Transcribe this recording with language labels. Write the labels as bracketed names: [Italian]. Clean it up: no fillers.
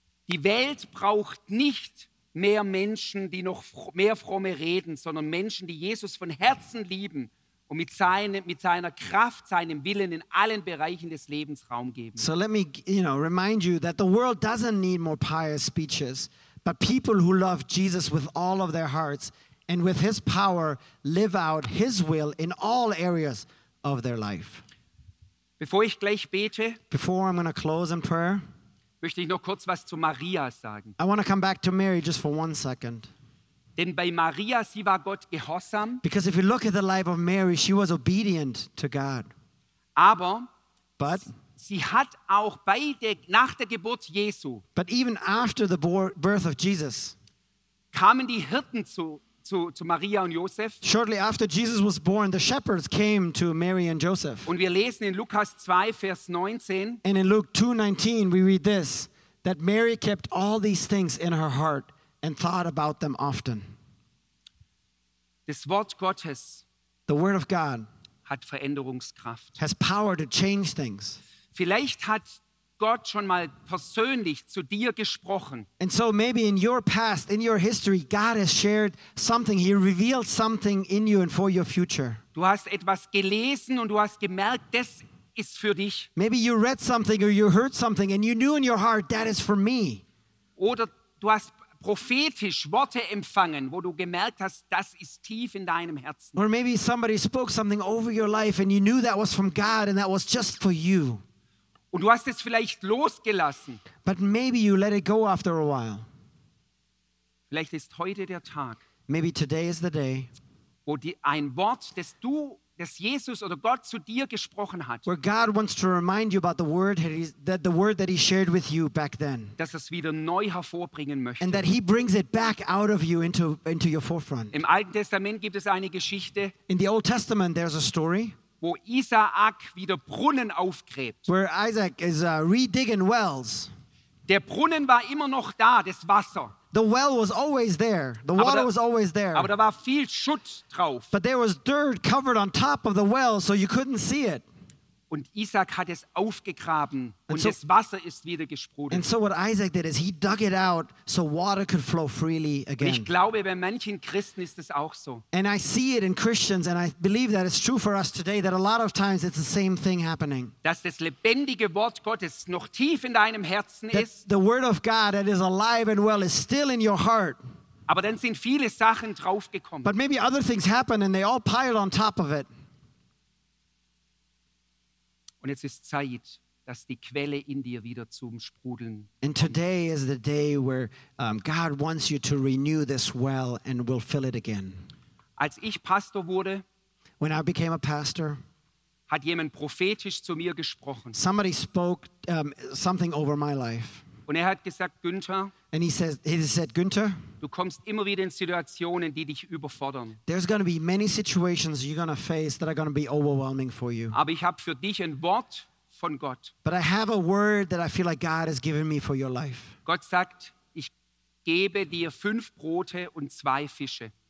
[German] Die Welt braucht nicht mehr Menschen, die noch mehr fromme reden, sondern Menschen, die Jesus von Herzen lieben und mit seiner Kraft, seinem Willen in allen Bereichen des Lebens Raum geben. [English] So let me, remind you that the world doesn't need more pious speeches, but people who love Jesus with all of their hearts and with his power live out his will in all areas of their life. [German] Bevor ich gleich bete, [English] before I'm going to close in prayer, [German] möchte ich noch kurz was zu Maria sagen. [English] I want to come back to Mary just for one second. [German] Denn bei Maria, sie war Gott gehorsam. [English] Because if you look at the life of Mary, she was obedient to God. [German] Aber [English] but [German] sie hat auch nach der Geburt Jesu, [English] but even after the birth of Jesus, [German] kamen die Hirten zu Maria und Josef. [English] Shortly after Jesus was born, the shepherds came to Mary and Joseph. [German] Und wir lesen in Lukas 2, Vers 19. [English] And in Luke 2:19, we read this, that Mary kept all these things in her heart and thought about them often. [German] Das Wort Gottes, [English] the word of God, [German] hat Veränderungskraft. [English] Has power to change things. [German] Vielleicht hat Gott schon mal persönlich zu dir gesprochen. [English] And so maybe in your past, in your history, God has shared something. He revealed something in you and for your future. [German] Du hast etwas gelesen und du hast gemerkt, das ist für dich. [English] Maybe you read something or you heard something and you knew in your heart that is for me. [German] Oder du hast prophetisch Worte empfangen, wo du gemerkt hast, das ist tief in deinem Herzen. [English] Or maybe somebody spoke something over your life and you knew that was from God and that was just for you. [German] Und du hast es vielleicht losgelassen. [English] But maybe you let it go after a while. [German] Vielleicht ist heute der Tag. [English] Maybe today is the day. [German] Wo die, ein Wort, das du, das Jesus oder Gott zu dir gesprochen hat. [English] Where God wants to remind you about the word that the word that he shared with you back then. [German] Dass es wieder neu hervorbringen möchte. [English] And that he brings it back out of you into your forefront. [German] Im Alten Testament gibt es eine Geschichte. [English] In the Old Testament there's a story. [German] Wo Isaak wieder Brunnen aufgräbt. [English] Where Isaac is redigging wells. [German] Der Brunnen war immer noch da, das Wasser. [English] The well was always there. The water was always there. [German] Aber da war viel Schutt drauf. [English] But there was dirt covered on top of the well, so you couldn't see it. [German] Und Isaak hat es aufgegraben und das Wasser ist wieder gesprudelt. [English] And so what Isaac did is he dug it out so water could flow freely again. [German] Ich glaube, bei manchen Christen ist es auch so. [English] And I see it in Christians and I believe that it's true for us today that a lot of times it's the same thing happening. [German] Dass das lebendige Wort Gottes noch tief in deinem Herzen ist. [English] The word of God that is alive and well is still in your heart. [German] Aber dann sind viele Sachen draufgekommen. [English] But maybe other things happen and they all pile on top of it. [German] Und jetzt ist Zeit, dass die Quelle in dir wieder zum Sprudeln kommt. [English] And today is the day where God wants you to renew this well and will fill it again. [German] Als ich Pastor wurde, [English] when I became a pastor, [German] hat jemand prophetisch zu mir gesprochen. [English] Somebody spoke something over my life. [German] Und er hat gesagt, Günther, [English] and he said, Günther, [German] du kommst immer wieder in Situationen, die dich überfordern. [English] There's going to be many situations you're going to face that are going to be overwhelming for you. [German] Aber ich habe für dich ein Wort von Gott. [English] But I have a word that I feel like God has given me for your life. [German] Gott sagt, ich gebe dir 5 Brote und 2 Fische.